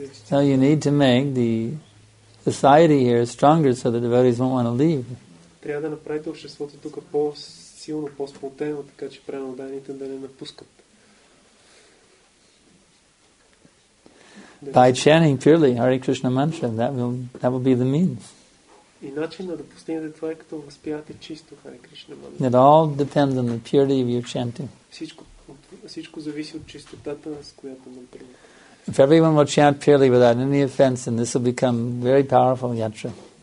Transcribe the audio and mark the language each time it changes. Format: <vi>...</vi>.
<en>No, you need to make the society here is stronger so the devotees won't want to leave.</en> <bg>Трябва да направите обществото тук по-силно, по-сплотено, така че преданите да не напускат.</bg> <en>By chanting purely Hare Krishna mantra, that will be the means.</en> <bg>И начинът да постигнете това е като възпявате чисто Hare Krishna</bg> <en>mantra. It all depends on the purity of your chanting.</en> <bg>Всичко зависи от чистотата, с която мантрите.</bg> <en>If everyone will chant purely without any offense, then this will become very powerful yatra.</en>